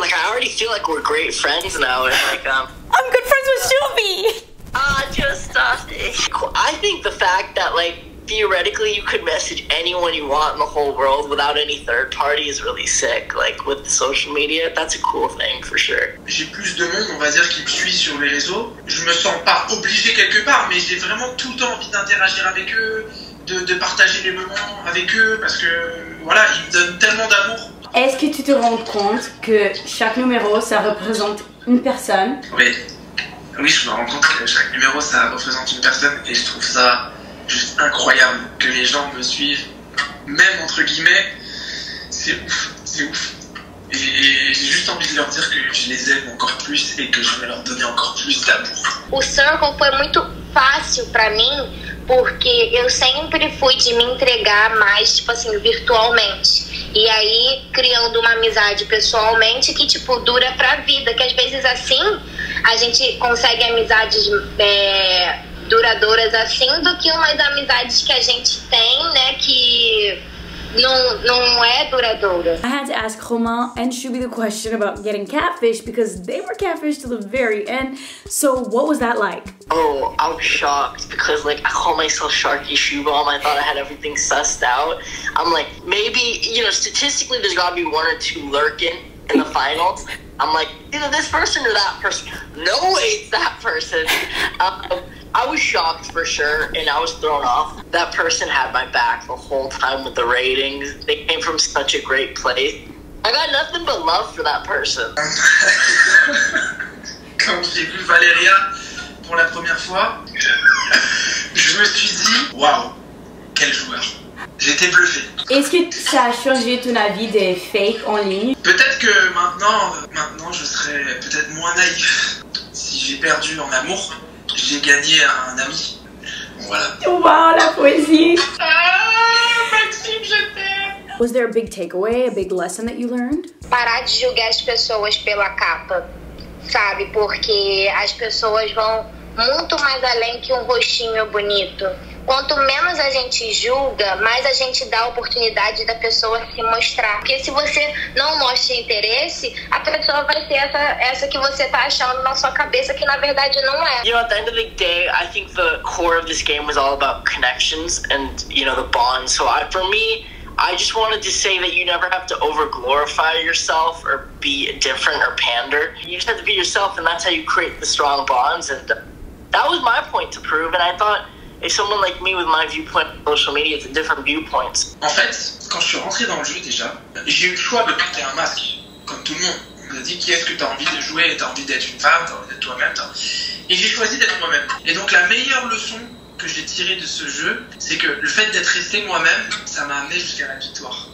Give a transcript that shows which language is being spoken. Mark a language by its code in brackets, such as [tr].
[en] Like, I already feel like we're great friends now. And, like, I'm good friends with Shubi! I think the fact that, like, theoretically, you could message anyone you want in the whole world without any third party is really sick. Like, with social media, that's a cool thing, for sure. [fr] J'ai plus de monde, on va dire, qui me suit sur les réseaux. Je me sens pas obligé quelque part, mais j'ai vraiment tout le temps envie d'interagir avec eux, de partager les moments avec eux, parce que, voilà, ils me donnent tellement d'amour. Est-ce que tu te rends compte que chaque numéro, ça représente une personne? Oui, je me rends compte que chaque numéro, ça représente une personne et je trouve ça juste incroyable que les gens me suivent, même entre guillemets. c'est ouf, c'est ouf. Et j'ai juste envie de leur dire que je les aime encore plus et que je vais leur donner encore plus d'amour. [pt] O Circle foi muito fácil pra mim, porque eu sempre fui de me entregar mais, tipo assim, virtualmente. E aí, criando uma amizade pessoalmente que, tipo, dura pra vida. Que às vezes assim, a gente consegue amizades duradouras assim do que umas amizades que a gente tem, né, que... [en] I had to ask Romain and Shubi the question about getting catfished because they were catfished to the very end. So what was that like? Oh, I was shocked because like I called myself Sharky Shoebomb. I thought I had everything sussed out. I'm like, maybe, you know, statistically there's gotta be one or two lurking in the finals. I'm like, either this person or that person. No way, it's that person. I was shocked for sure, and I was thrown off. That person had my back the whole time with the ratings. They came from such a great place. I got nothing but love for that person. [fr] Quand j'ai vu Valeria pour la première fois, je me suis dit, waouh, quel joueur. J'étais bluffé. Est-ce que ça a changé ton avis des fakes en ligne? Peut-être que maintenant je serais peut-être moins naïf si j'ai perdu en amour. J'ai gagné un ami. Voilà. Wow, la poésie. Ah, Maxime, je t'aime. [en] Was there a big takeaway, a big lesson that you learned? [pt] Parar de julgar as pessoas pela capa, sabe? Porque as pessoas vão muito mais além que um rostinho bonito. Quanto menos a gente julga, mais a gente dá a oportunidade da pessoa se mostrar. Porque se você não mostra interesse, a pessoa vai ser essa que você tá achando na sua cabeça, que na verdade não é. [en] You know, at the end of the day, I think the core of this game was all about connections and, you know, the bond. So I, for me, I just wanted to say that you never have to over-glorify yourself or be different or pander. You just have to be yourself, and that's how you create the strong bonds. And that was my point to prove, and I thought... Et someone like me with my viewpoint on social media, it's a different viewpoint. [fr] En fait, quand je suis rentré dans le jeu déjà, j'ai eu le choix de porter un masque, comme tout le monde. On m'a dit qui est-ce que t'as envie de jouer, t'as envie d'être une femme, t'as envie d'être toi-même. Et j'ai choisi d'être moi-même. Et donc la meilleure leçon que j'ai tirée de ce jeu, c'est que le fait d'être resté moi-même, ça m'a amené jusqu'à la victoire.